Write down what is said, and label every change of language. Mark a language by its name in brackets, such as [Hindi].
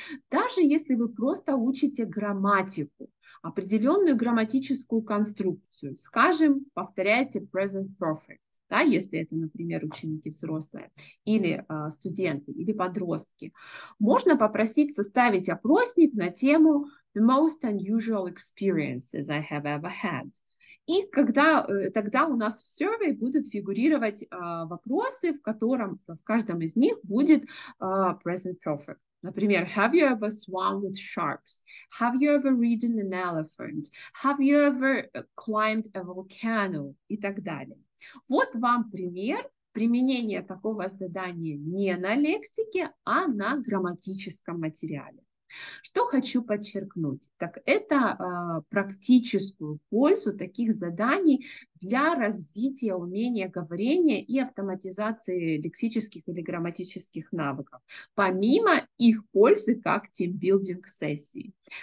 [Russian] Даже если вы просто учите грамматику, определенную грамматическую конструкцию, скажем, повторяете present perfect, да, если это, например, ученики взрослые или студенты, или подростки, можно попросить составить опросник на тему [English] the most unusual experiences I have ever had. [Russian] И тогда у нас в сервере будут фигурировать вопросы, в каждом из них будет present perfect. [English] Например, have you ever swum with sharks? Have you ever ridden an elephant? Have you ever climbed a volcano? [Russian] И так далее. Вот вам пример применения такого задания не на лексике, а на грамматическом материале. Что хочу подчеркнуть, так это практическую пользу таких заданий для развития умения говорения и автоматизации лексических или грамматических навыков, помимо их пользы как тимбилдинг сессии.